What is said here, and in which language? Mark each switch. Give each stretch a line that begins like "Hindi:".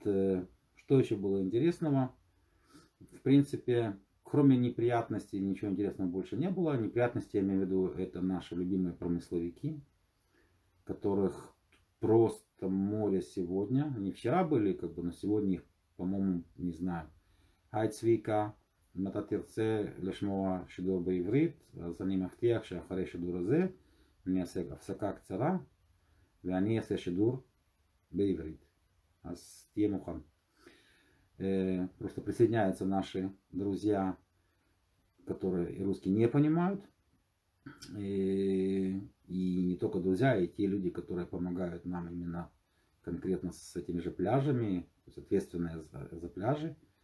Russian: Что еще было интересного? В принципе, кроме неприятностей, ничего интересного больше не было. Неприятности, я имею в виду, это наши любимые промысловики, которых просто море сегодня. Они вчера были, как бы, но сегодня их, по-моему, не знаю, Айцвика,
Hebrew: אם אתה תרצה לשמוע שידור בעברית, אז אני מבטיח שאחרי השידור הזה אני אעשה הפסקה קצרה ואני אעשה שידור בעברית. אז תהיה מוכן.
Russian: Просто присоединяются наши друзья, которые русский не понимают. И не только друзья, и те люди, которые помогают нам именно конкретно с этими же пляжами, то есть ответственные за пляжи.